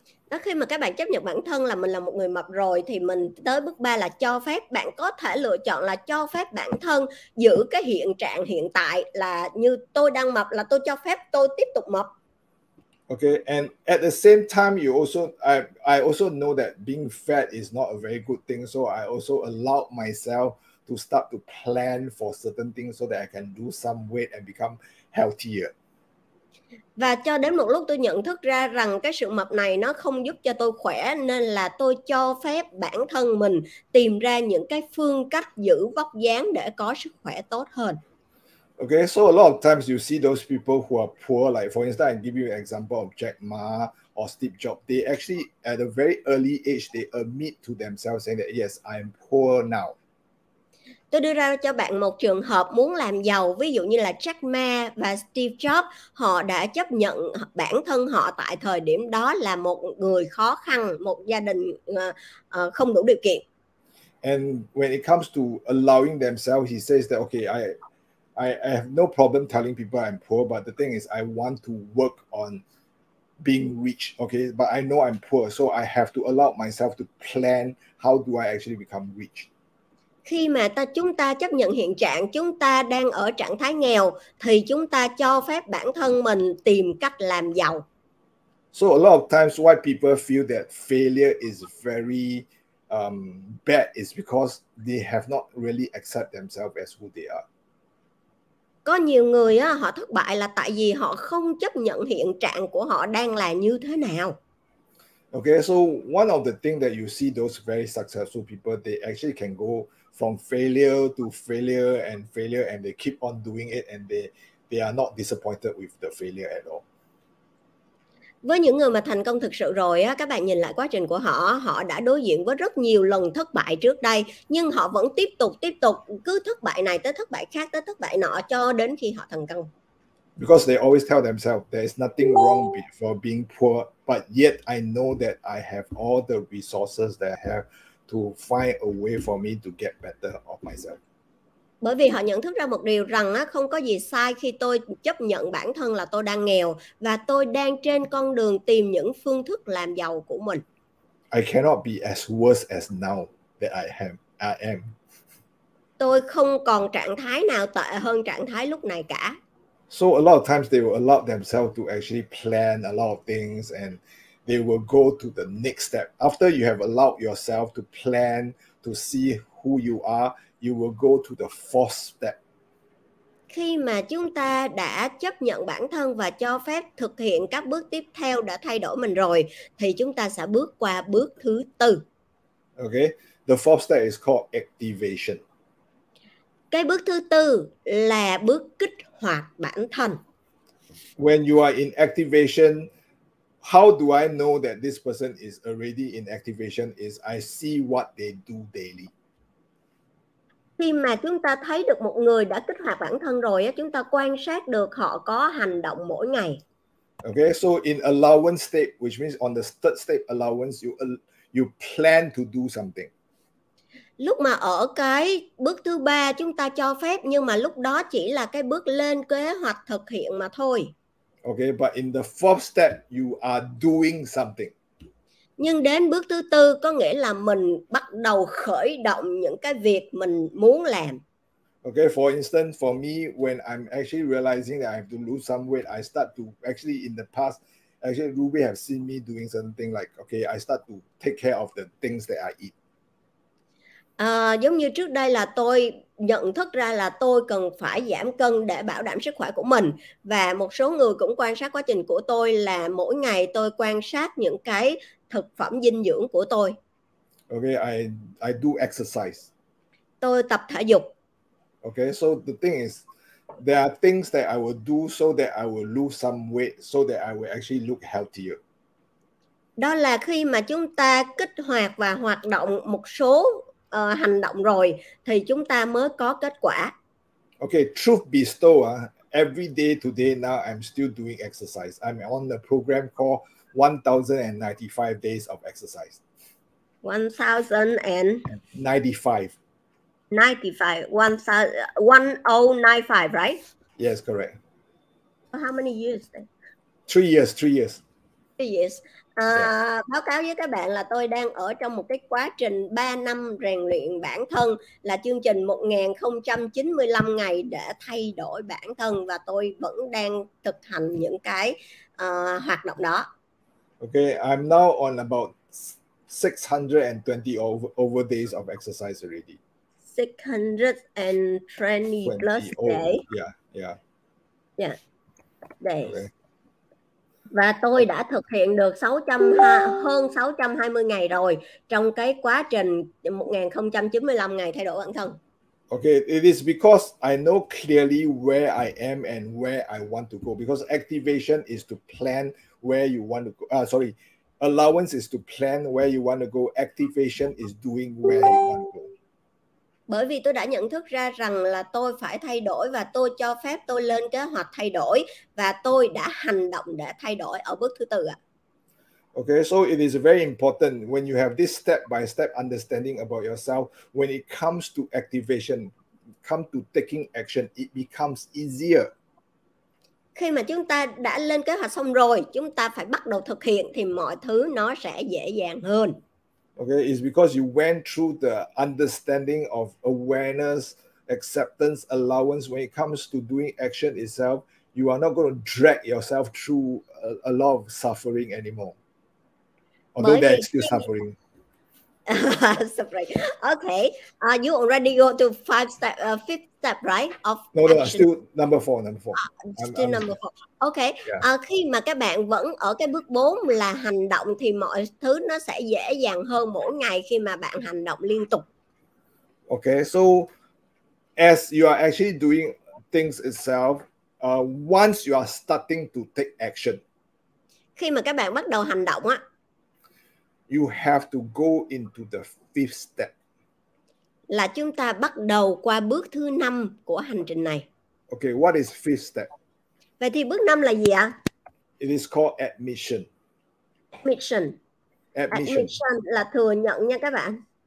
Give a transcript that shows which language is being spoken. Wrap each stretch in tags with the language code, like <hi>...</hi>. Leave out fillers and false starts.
<vi>Đó, khi mà các bạn chấp nhận bản thân là mình là một người mập rồi, thì mình tới bước 3 là cho phép. Bạn có thể lựa chọn là cho phép bản thân giữ cái hiện trạng hiện tại, là như tôi đang mập, là tôi cho phép tôi tiếp tục mập.</vi> <en>Okay, and at the same time, you also I also know that being fat is not a very good thing, so I also allow myself to start to plan for certain things so that I can lose some weight and become healthier.</en> <vi>Và cho đến một lúc tôi nhận thức ra rằng cái sự mập này nó không giúp cho tôi khỏe, nên là tôi cho phép bản thân mình tìm ra những cái phương cách giữ vóc dáng để có sức khỏe tốt hơn.</vi> <en>Okay, so a lot of times you see those people who are poor, like for instance, I give you an example of Jack Ma or Steve Jobs. They actually, at a very early age, they admit to themselves saying that, yes, I'm poor now.</en> <vi>Tôi đưa ra cho bạn một trường hợp muốn làm giàu, ví dụ như là Jack Ma và Steve Jobs, họ đã chấp nhận bản thân họ tại thời điểm đó là một người khó khăn, một gia đình không đủ điều kiện.</vi> <en>And when it comes to allowing themselves, he says that, okay, I have no problem telling people I'm poor, but the thing is I want to work on being rich, okay? But I know I'm poor, so I have to allow myself to plan how do I actually become rich.</en> <vi>Khi mà chúng ta chấp nhận hiện trạng, chúng ta đang ở trạng thái nghèo, thì chúng ta cho phép bản thân mình tìm cách làm giàu.</vi> <en>So a lot of times why people feel that failure is very bad is because they have not really accept themselves as who they are.</en> <vi>Có nhiều người á, họ thất bại là tại vì họ không chấp nhận hiện trạng của họ đang là như thế nào.</vi> <en>Okay, so one of the things that you see those very successful people, they actually can go from failure to failure and failure, and they keep on doing it, and they are not disappointed with the failure at all.</en> <vi>Với những người mà thành công thực sự rồi á, các bạn nhìn lại quá trình của họ, họ đã đối diện với rất nhiều lần thất bại trước đây, nhưng họ vẫn tiếp tục cứ thất bại này tới thất bại khác tới thất bại nọ cho đến khi họ thành công.</vi> <en>Because they always tell themselves there is nothing wrong for being poor, but yet I know that I have all the resources that I have to find a way for me to get better of myself.</en> <vi>Bởi vì họ nhận thức ra một điều rằng không có gì sai khi tôi chấp nhận bản thân là tôi đang nghèo và tôi đang trên con đường tìm những phương thức làm giàu của mình.</vi> <en>I cannot be as worse as now that I am.</en> <vi>Tôi không còn trạng thái nào tệ hơn trạng thái lúc này cả.</vi> <en>So a lot of times they will allow themselves to actually plan a lot of things and they will go to the next step. After you have allowed yourself to plan, to see who you are, you will go to the fourth step.</en> <vi>Khi mà chúng ta đã chấp nhận bản thân và cho phép thực hiện các bước tiếp theo đã thay đổi mình rồi, thì chúng ta sẽ bước qua bước thứ tư.</vi> <en>Okay, the fourth step is called activation.</en> <vi>Cái bước thứ tư là bước kích hoạt bản thân.</vi> <en>When you are in activation, how do I know that this person is already in activation? Is I see what they do daily.</en> <vi>Khi mà chúng ta thấy được một người đã kích hoạt bản thân rồi, chúng ta quan sát được họ có hành động mỗi ngày.</vi> <en>Okay, so in allowance state, which means on the third state allowance, you plan to do something.</en> <vi>Lúc mà ở cái bước thứ ba chúng ta cho phép, nhưng mà lúc đó chỉ là cái bước lên kế hoạch thực hiện mà thôi.</vi> <en>Okay, but in the fourth step, you are doing something.</en> <vi>Nhưng đến bước thứ tư có nghĩa là mình bắt đầu khởi động những cái việc mình muốn làm.</vi> <en>Okay, for instance, for me, when I'm actually realizing that I have to lose some weight, I start to actually in the past, actually Ruby have seen me doing something like, okay, I start to take care of the things that I eat.</en> <vi>Giống như trước đây là tôi nhận thức ra là tôi cần phải giảm cân để bảo đảm sức khỏe của mình, và một số người cũng quan sát quá trình của tôi là mỗi ngày tôi quan sát những cái thực phẩm dinh dưỡng của tôi.</vi> <en>Okay, I do exercise.</en> <vi>Tôi tập thể dục.</vi> <en>Okay, so the thing is, there are things that I will do so that I will lose some weight, so that I will actually look healthier.</en> <vi>Đó là khi mà chúng ta kích hoạt và hoạt động một số hành động rồi thì chúng ta mới có kết quả.</vi> <en>Okay, truth be told, every day today now I'm still doing exercise. I'm on the program called 1095 days of exercise. 95. 1095, right? Yes, correct. How many years? 3 years, 3 years. Yes. Yeah.</en> <vi>Báo cáo với các bạn là tôi đang ở trong một cái quá trình 3 năm rèn luyện bản thân, là chương trình 1095 ngày để thay đổi bản thân, và tôi vẫn đang thực hành những cái hoạt động đó.</vi> <en>I'm now on about 620 over days of exercise already. 620 plus 20 day. over, yeah. Days. Okay.</en> <vi>Và tôi đã thực hiện được 600, hơn 620 ngày rồi trong cái quá trình 1095 ngày thay đổi bản thân.</vi> <en>It is because I know clearly where I am and where I want to go. Because activation is to plan where you want to go. Sorry, allowance is to plan where you want to go. Activation is doing where you want to go.</en> <vi>Bởi vì tôi đã nhận thức ra rằng là tôi phải thay đổi, và tôi cho phép tôi lên kế hoạch thay đổi, và tôi đã hành động để thay đổi ở bước thứ tư ạ.</vi> <en>Okay, so it is very important when you have this step-by-step understanding about yourself, when it comes to activation, come to taking action, it becomes</en> <vi>Khi mà chúng ta đã lên kế hoạch xong rồi, chúng ta phải bắt đầu thực hiện thì mọi thứ nó sẽ dễ dàng hơn.</vi> <en>easier. Okay, it's because you went through the understanding of awareness, acceptance, allowance. When it comes to doing action itself, you are not going to drag yourself through a lot of suffering anymore. Although there</en> <vi>vì</vi> <en>is still suffering. Okay, you already go to five step, fifth step, right, of No, action. still number 4. Still number four. Okay, Yeah.</en> <vi>khi mà các bạn vẫn ở cái bước 4 là hành động thì mọi thứ nó sẽ dễ dàng hơn mỗi ngày khi mà bạn hành động liên tục.</vi> <en>So as you are actually doing things itself, once you are starting to take action,</en> <vi>Khi mà các bạn bắt đầu hành động á,</vi> <en>you have to go into the fifth step.</en> <vi>là chúng ta bắt đầu qua bước thứ năm của hành trình này.</vi> <en>Okay, what is fifth step?</en> <vi>Vậy thì bước năm là gì ạ?</vi> <en>It is called admission. Admission. Admission.</en> <vi>Admission là thừa nhận nha các bạn.</vi>